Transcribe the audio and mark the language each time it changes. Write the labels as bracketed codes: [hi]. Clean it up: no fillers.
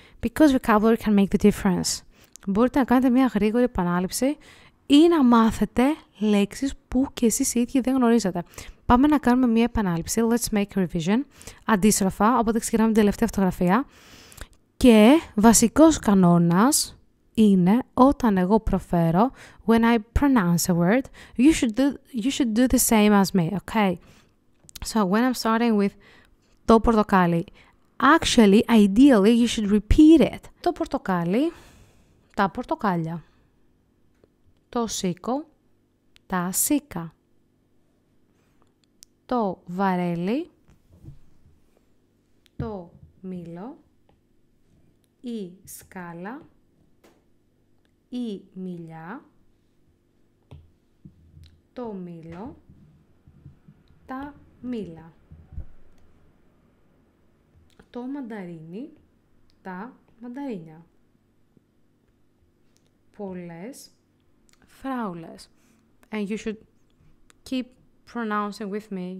[en] Because vocabulary can make the difference. [el] Μπορείτε να κάνετε μια γρήγορη επανάληψη ή να μάθετε λέξεις που και εσείς οι ίδιοι δεν γνωρίζετε. Πάμε να κάνουμε μία επανάληψη, [en] let's make a revision, [el] αντίστροφα, οπότε ξεκινάμε την τελευταία αυτογραφία. Και βασικός κανόνας είναι όταν εγώ προφέρω, [en] when I pronounce a word, you should do the same as me, okay? So when I'm starting with το πορτοκάλι, actually, ideally, you should repeat it. [el] Το πορτοκάλι, τα πορτοκάλια. Το σίκο, τα σίκα. Το βαρέλι, το μήλο, η σκάλα, η μηλιά, το μήλο, τα μήλα. Το μανταρίνι, τα μανταρίνια. Πολλές φράουλες. [en] And you should keep pronouncing with me.